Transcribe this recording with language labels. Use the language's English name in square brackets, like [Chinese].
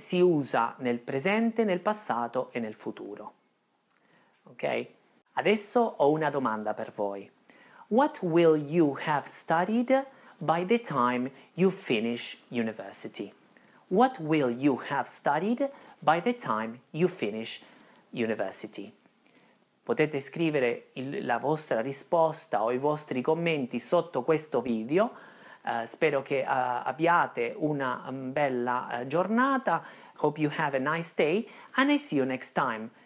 [Italian] Si usa nel presente, nel passato e nel futuro. Ok? Adesso ho una domanda per voi. [English] What will you have studied by the time you finish university? What will you have studied by the time you finish university? [Italian] Potete scrivere la vostra risposta o i vostri commenti sotto questo video. Spero che abbiate una bella giornata. [English] Hope you have a nice day and I see you next time.